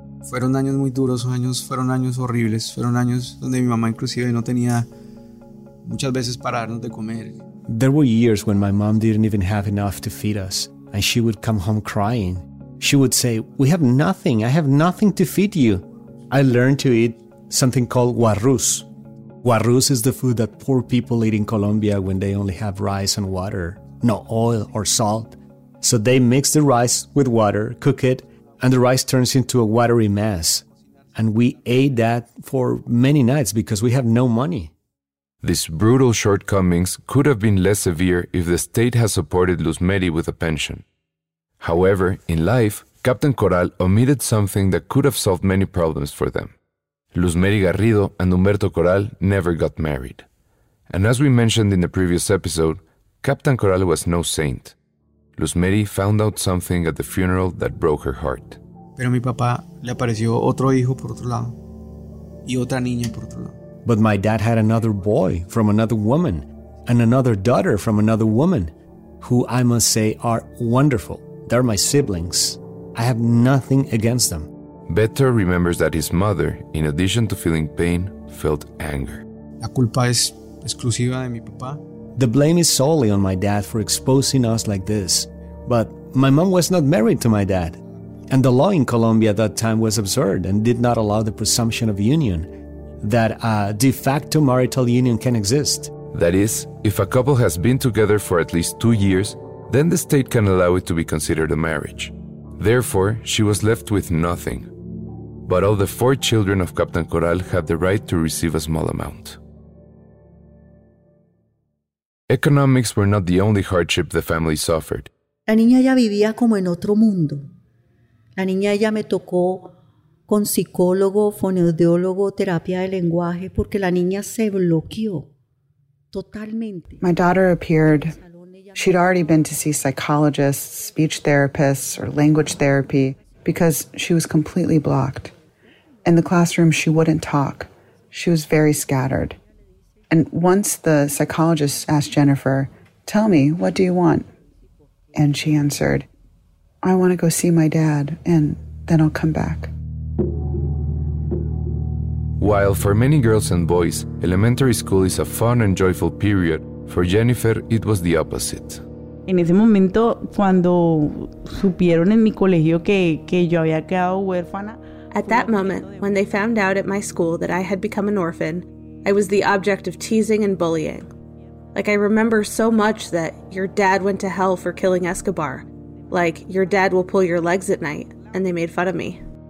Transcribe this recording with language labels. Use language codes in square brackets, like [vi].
[es] Fueron años muy duros, años fueron años horribles, fueron años donde mi mamá inclusive no tenía muchas veces para darnos de comer. [en] There were years when my mom didn't even have enough to feed us, and she would come home crying. She would say, "We have nothing, I have nothing to feed you." I learned to eat something called guarrús. Guarrús is the food that poor people eat in Colombia when they only have rice and water, no oil or salt. So they mix the rice with water, cook it, and the rice turns into a watery mess. And we ate that for many nights because we have no money. These brutal shortcomings could have been less severe if the state had supported Luzmeri with a pension. However, in life, Captain Corral omitted something that could have solved many problems for them. Luzmeri Garrido and Humberto Corral never got married. And as we mentioned in the previous episode, Captain Corral was no saint. Luzmeri found out something at the funeral that broke her heart. [es] Pero mi papá le apareció otro hijo por otro lado y otra niña por otro lado. [en] But my dad had another boy from another woman and another daughter from another woman who I must say are wonderful. They're my siblings. I have nothing against them. Beto remembers that his mother, in addition to feeling pain, felt anger. [es] La culpa es exclusiva de mi papá. [en] The blame is solely on my dad for exposing us like this. But my mom was not married to my dad. And the law in Colombia at that time was absurd and did not allow the presumption of union, that a de facto marital union can exist. That is, if a couple has been together for at least 2 years, then the state can allow it to be considered a marriage. Therefore, she was left with nothing. But all the 4 children of Captain Corral had the right to receive a small amount. Economics were not the only hardship the family suffered. [es] La niña ya vivía como en otro mundo. La niña ya me tocó con psicólogo, fonoaudiólogo, terapia de lenguaje, porque la niña se bloqueó totalmente. [en] My daughter appeared. She'd already been to see psychologists, speech therapists, or language therapy because she was completely blocked. In the classroom, she wouldn't talk. She was very scattered. And once the psychologist asked Jennifer, "Tell me, what do you want?" And she answered, "I want to go see my dad, and then I'll come back." While for many girls and boys, elementary school is a fun and joyful period, for Jennifer, it was the opposite. [es] En ese momento, cuando supieron en mi colegio que yo había quedado huérfana, [en] at that moment, when they found out at my school that I had become an orphan, I was the object of teasing and bullying. Like, I remember so much that your dad went to hell for killing Escobar. Like, your dad will pull your legs at night, and they made fun of me.